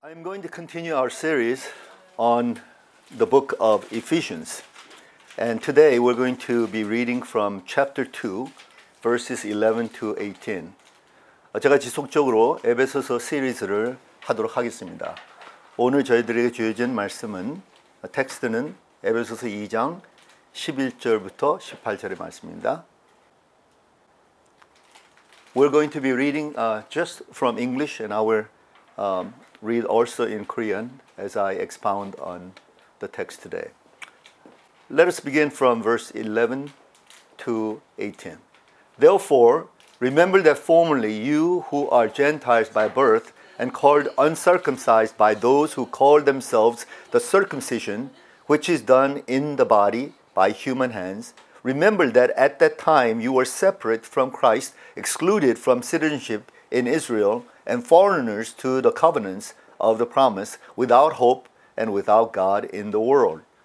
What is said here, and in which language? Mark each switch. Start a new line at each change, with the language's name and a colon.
English: I'm going to continue our series on the book of Ephesians. And today we're going to be reading from chapter 2, verses 11 to 18.
Korean: 제가 지속적으로 에베소서 시리즈를 하도록 하겠습니다. 오늘 저희들에게 주어진 말씀은, 텍스트는 에베소서 2장 11절부터 18절의 말씀입니다.
English: We're going to be reading just from English and our read also in Korean as I expound on the text today. Let us begin from verse 11 to 18. Therefore, remember that formerly you who are Gentiles by birth and called uncircumcised by those who call themselves the circumcision, which is done in the body by human hands, remember that at that time you were separate from Christ, excluded from citizenship in Israel, and foreigners to the covenants of the promise, without hope and without God in the world.